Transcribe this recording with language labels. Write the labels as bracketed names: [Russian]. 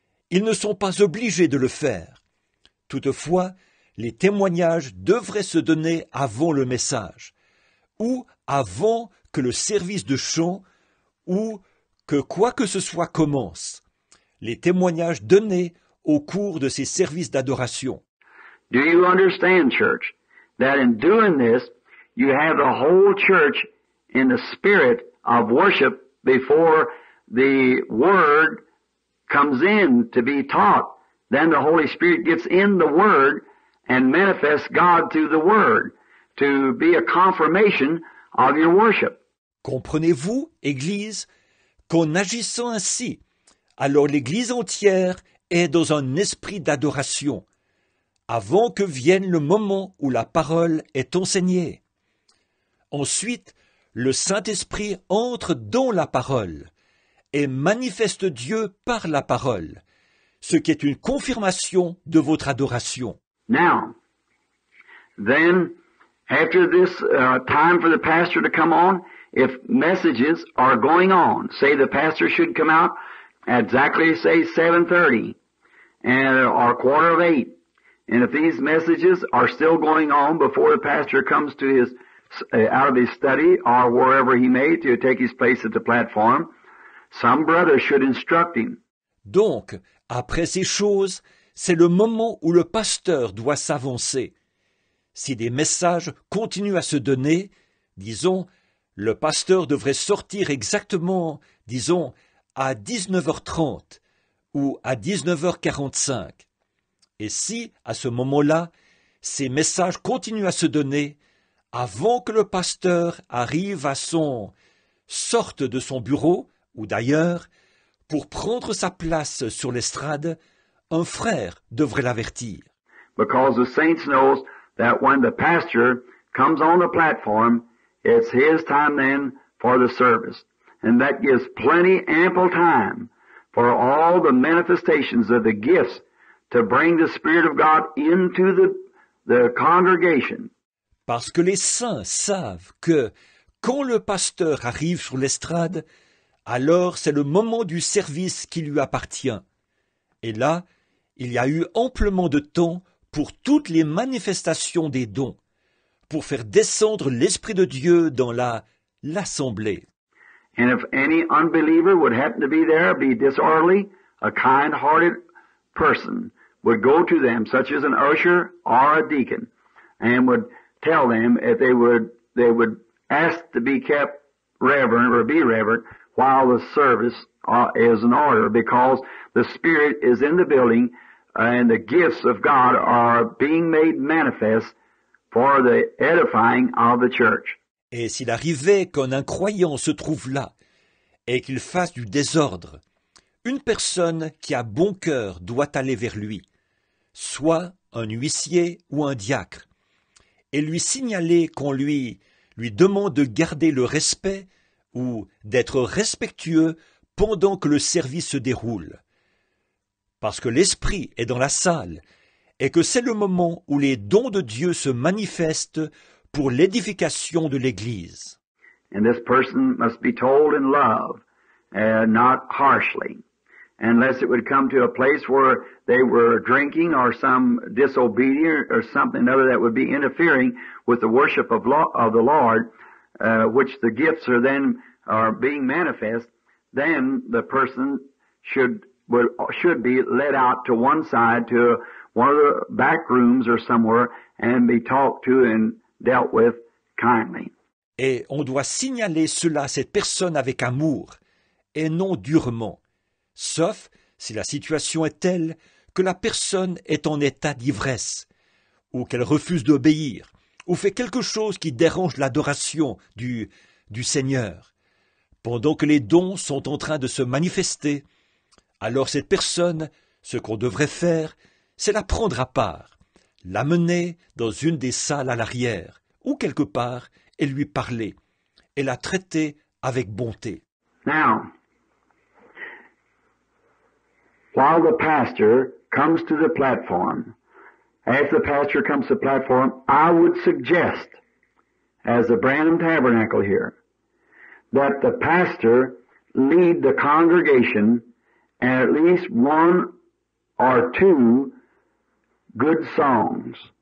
[French] Ils ne sont pas obligés de le faire. Toutefois, les témoignages devraient se donner avant le message, ou avant que le service de chant, ou que quoi que ce soit commence. Les témoignages donnés au cours de ces services d'adoration. [English] Do you understand, church, that in doing this, you have the whole church in the spirit of worship before the word comes in to be taught? Then the Holy Spirit gets in the word and manifests God through the word to be a confirmation of your worship. [French] Comprenez-vous, Église, qu'en agissant ainsi, alors l'Église entière est dans un esprit d'adoration, avant que vienne le moment où la parole est enseignée. Ensuite, le Saint-Esprit entre dans la parole et manifeste Dieu par la parole, ce qui est une confirmation de votre adoration. [English] Now, then, after this time for the pastor to come on, if messages are going on, say the pastor should come out at exactly, say, 7:30, and or 7:45, and if these messages are still going on before the pastor comes to his out of his study or wherever he may to take his place at the platform, some brother should instruct him. [French] Donc, après ces choses, c'est le moment où le pasteur doit s'avancer. Si des messages continuent à se donner, disons, le pasteur devrait sortir exactement, disons, à 19:30 ou à 19:45. Et si, à ce moment-là, ces messages continuent à se donner, avant que le pasteur arrive à son sorte de son bureau, ou d'ailleurs, pour prendre sa place sur l'estrade, un frère devrait l'avertir. [English] Because the saints knows that when the pastor comes on the platform, it's his time then for the service. And that gives plenty ample time for all the manifestations of the gifts to bring the Spirit of God into the congregation. [French] Parce que les saints savent que quand le pasteur arrive sur l'estrade, alors c'est le moment du service qui lui appartient. Et là, il y a eu amplement de temps pour toutes les manifestations des dons, pour faire descendre l'Esprit de Dieu dans l'assemblée. [English] And if any unbeliever would happen to be there, be disorderly, a kind-hearted person would go to them, such as an usher or a deacon, and would tell them if they would ask to be kept reverent or be reverent while the service is in order, because the Spirit is in the building and the gifts of God are being made manifest for the edifying of the church. [French] Et s'il arrivait qu'un incroyant se trouve là et qu'il fasse du désordre, une personne qui a bon cœur doit aller vers lui, soit un huissier ou un diacre, et lui signaler qu'on lui demande de garder le respect ou d'être respectueux pendant que le service se déroule. Parce que l'Esprit est dans la salle et que c'est le moment où les dons de Dieu se manifestent pour l'édification de l'Église. [English] And this person must be told in love, not harshly, unless it would come to a place where they were drinking or some disobedient or something other that would be interfering with the worship of the Lord, which the gifts are then are being manifest, then the person should be led out to one side to one of the back rooms or somewhere and be talked to and dealt with kindly. [French] Et on doit signaler cela à cette personne avec amour et non durement, sauf si la situation est telle que la personne est en état d'ivresse, ou qu'elle refuse d'obéir, ou fait quelque chose qui dérange l'adoration du Seigneur. Pendant que les dons sont en train de se manifester, alors cette personne, ce qu'on devrait faire, c'est la prendre à part, l'amener dans une des salles à l'arrière, ou quelque part, et lui parler, et la traiter avec bonté. [English] Now, while the pastor comes to the platform, as the pastor comes to the platform, I would suggest, as the Branham Tabernacle here, that the pastor lead the congregation in at least one or two good songs.